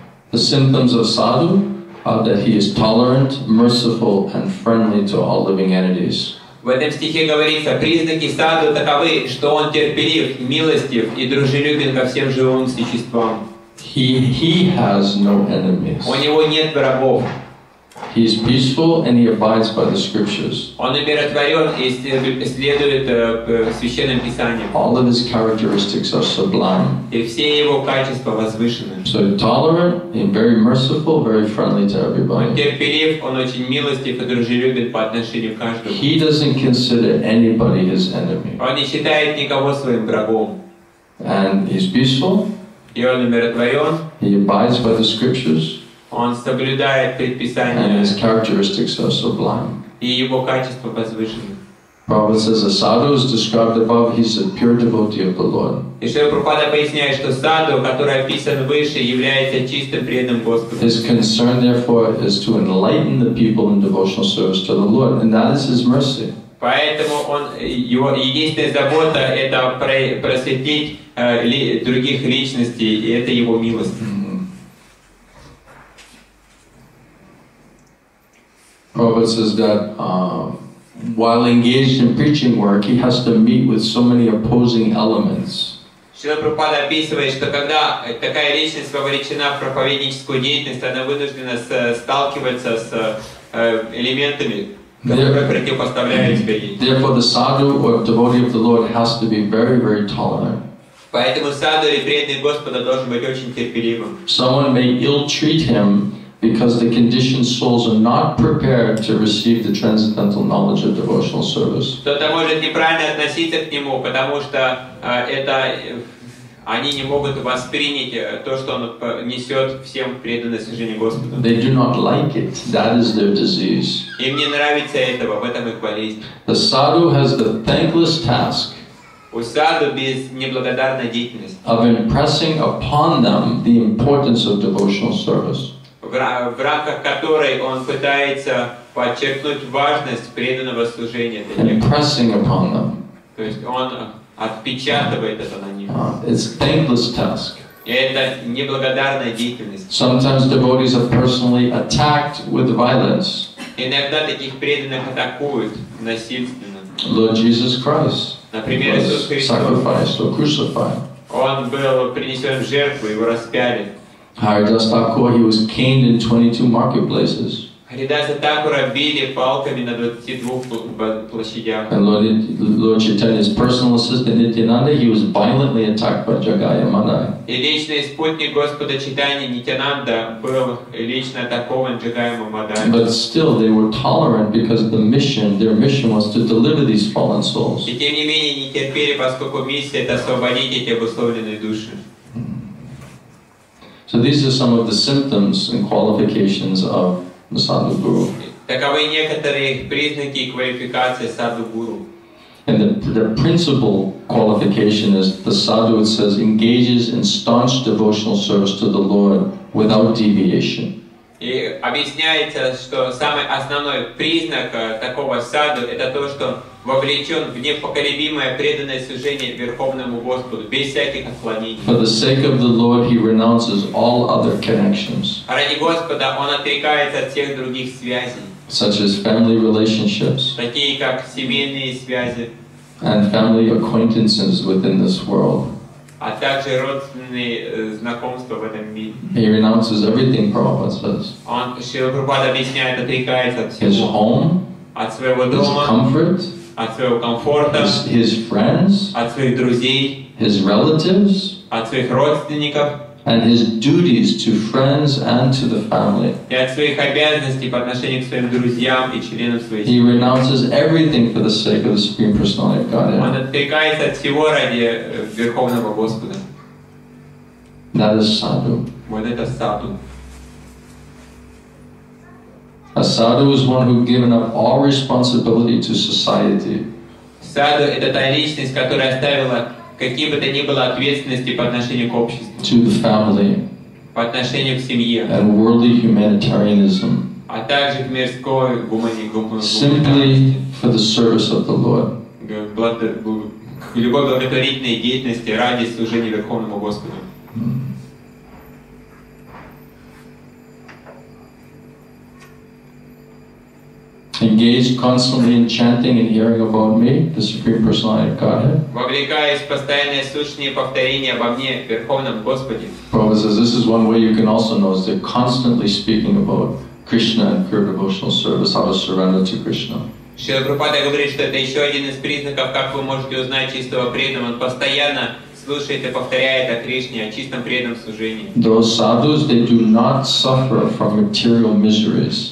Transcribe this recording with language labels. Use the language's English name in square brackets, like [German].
[English] The symptoms of sadhu are that he is tolerant, merciful, and friendly to all living entities. [Russian] В этом стихе говорится, признаки саду таковы, что он терпелив, милостив и дружелюбен ко всем живым существам. [English] He has no enemies. [Russian] У него нет врагов. [English] He is peaceful and he abides by the scriptures. [Russian] Он умиротворен и следует священным писаниям. [English] All of his characteristics are sublime. [Russian] И все его качества возвышены. [English] So tolerant and very merciful, very friendly to everybody. [Russian] Он терпелив, он очень милостив и дружелюбен по отношению к каждому. [English] He doesn't consider anybody his enemy. [Russian] Он не считает никого своим врагом. [English] And he's peaceful. [Russian] И он умиротворен. [English] He abides by the scriptures. [Russian] Он соблюдает предписания. [English] And his characteristics are sublime. [Russian] И его качества возвышены. [English] Prabhupada says a sadhu is described above. He's a pure devotee of the Lord. [Russian] И что Прабхупада поясняет, что саду, который описан выше, является чистым преданным Господу. [English] His concern, therefore, is to enlighten the people in devotional service to the Lord, and that is his mercy. [Russian] Поэтому он его единственная забота это просветить других личностей, и это его милость. [English] Prabhupada says that while engaged in preaching work, he has to meet with so many opposing elements. [Russian] Шрила Прабхупада описывает, что когда такая личность вовлечена в проповедническую деятельность, она вынуждена сталкиваться с элементами, которые противопоставляют себя ей. [English] Therefore, the sadhu or devotee of the Lord has to be very, very tolerant. [Russian] Поэтому саду или преданный Господа должен быть очень терпеливым. [English] Someone may ill-treat him, because the conditioned souls are not prepared to receive the transcendental knowledge of devotional service. [Russian] Кто-то может неправильно относиться к нему, потому что это они не могут воспринять то, что он несет всем преданное служение Господу. [English] They do not like it. That is their disease. [Russian] Им не нравится этого, в этом их болезнь. [English] The sadhu has the thankless task. [Russian] У саду без неблагодарной деятельности. [English] Of impressing upon them the importance of devotional service. [Russian] В рамках которой он пытается подчеркнуть важность преданного служения для них. [English] Impressing upon them. [Russian] То есть он отпечатывает это на них. [English] It's a thankless task. [Russian] Это неблагодарная деятельность. [English] Sometimes devotees are personally attacked with violence. [Russian] Иногда таких преданных атакуют насильственно. [English] Lord Jesus Christ. [Russian] Например, [English] was sacrificed or crucified. [Russian] Он был принесен в жертву, его распяли. [English] Haridas Thakur, he was caned in 22 marketplaces. [Russian] Haridasa Thakura били палками на 22 площадях. [English] And Lord Chaitanya's personal assistant Nityananda, he was violently attacked by Jagaya Madai. [Russian] И личный спутник Господа Чайтаньи Нитянанда был лично атакован Джагайом Мадай. [English] But still, they were tolerant because of the mission. Their mission was to deliver these fallen souls. [Russian] И тем не менее не терпели, поскольку миссия это освободить эти обусловленные души. [English] So these are some of the symptoms and qualifications of the Sadhu Guru. [Russian] Таковы некоторые признаки и квалификации Sadhu Guru. [English] And the principal qualification is the Sadhu, it says, engages in staunch devotional service to the Lord without deviation. [Russian] И объясняется, что самый основной признак такого Sadhu это то, что вовлечен в непоколебимое преданное служение Верховному Господу, без всяких отклонений. [English] For the sake of the Lord, he renounces all other connections. [Russian] Ради Господа он отрекается от всех других связей. [English] Such as family relationships. [Russian] Такие как семейные связи. [English] And family acquaintances within this world. [Russian] А также родственные знакомства в этом мире. [English] He renounces everything, Prabhupada says. [Russian] Он, Шрила Прабхупада объясняет, отрекается от всего. [English] His home. [Russian] От своего дома. [English] His comfort. [Russian] От своего комфорта, [English] his friends, [Russian] от своих друзей, [English] his relatives, [Russian] от своих родственников, [English] and his duties to friends and to the family. [Russian] И от своих обязанностей по отношению к своим друзьям и членам своей семьи. [English] He renounces everything for the sake of the Supreme Personality of Godhead. [Russian] Он отрекается от всего ради Верховного Господа. [English] That is sadhu. [Russian] Вот это sadhu. [English] A sadhu is one who has given up all responsibility to society. [Russian] Sadhu – это та личность, которая оставила какие бы то ни было ответственности по отношению к обществу. [English] To the family. [Russian] По отношению к семье. [English] And worldly humanitarianism. [Russian] А также к мирской гуманитарности. [English] Simply for the service of the Lord. [Russian] К любой благотворительной деятельности ради служения Верховному Господу. [English] Engaged constantly in chanting and hearing about me, the Supreme Personality of Godhead. [Russian] Вовлекаясь в постоянное слушание и повторение обо мне, Верховном Господе. [English] Prabhupada says this is one way you can also notice they're constantly speaking about Krishna and pure devotional service, how to surrender to Krishna. [Russian] Шрила Прабхупада говорит, что это еще один из признаков, как вы можете узнать чистого преданного. Он постоянно слушает и повторяет о Кришне, о чистом преданном служении. [English] Those sadhus, they do not suffer from material miseries.